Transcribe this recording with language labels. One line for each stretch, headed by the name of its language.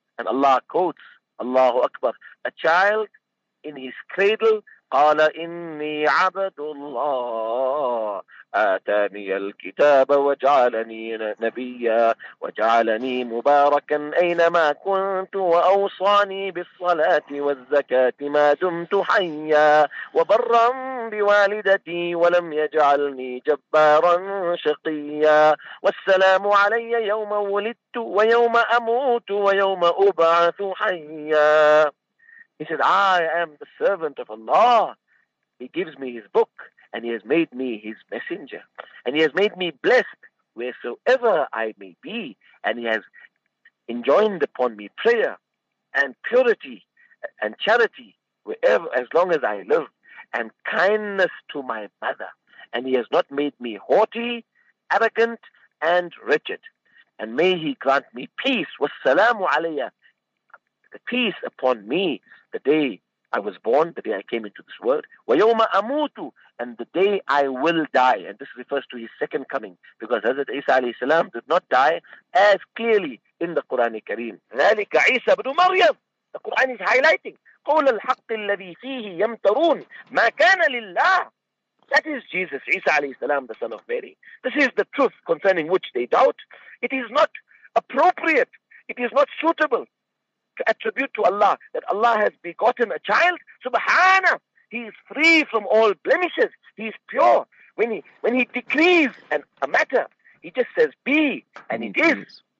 English: And Allah quotes, Allahu Akbar, a child in his cradle,
Arabic: قَالَ إِنِّي عَبَدُ اللَّهِ آتَانِيَ الْكِتَابَ وَجَعَلَنِي نَبِيًّا وَجَعَلَنِي مُبَارَكًا أَيْنَمَا كُنْتُ وَأَوْصَانِي بِالصَّلَاةِ وَالزَّكَاةِ مَا دُمْتُ حَيًّا وَبَرًّا بِوَالِدَتِي وَلَمْ يَجْعَلْنِي جَبَّارًا شَقِيًّا وَالسَّلَامُ عَلَيَّ يَوْمَ وُلِدْتُ وَيَوْمَ أَمُوتُ وَيَوْمَ أُبْعَثُ حَيًّا.
English: He said, I am the servant of Allah. He gives me his book and he has made me his messenger. And he has made me blessed wheresoever I may be. And he has enjoined upon me prayer and purity and charity wherever, as long as I live, and kindness to my mother. And he has not made me haughty, arrogant, and wretched. And may he grant me peace. Wassalamu alayya. The peace upon me, the day I was born, the day I came into this world,
Arabic: وَيَوْمَ أَمُوتُ,
English: and the day I will die. And this refers to his second coming, because Hazrat Isa alayhi salam did not die as clearly in the Quran Kareem.
Arabic: ذَلِكَ عِيسَى بْنُ مَرْيَمْ.
English: The Quran is highlighting,
Arabic: قَوْلَ الْحَقِّ الَّذِي فِيهِ يَمْتَرُونَ مَا كَانَ لِلَّهِ.
English: That is Jesus, Isa alayhi salam, the son of Mary. This is the truth concerning which they doubt. It is not appropriate. It is not suitable to attribute to Allah that Allah has begotten a child. Subhana, he is free from all blemishes. He is pure. When he decrees a matter, he just says be, and it is.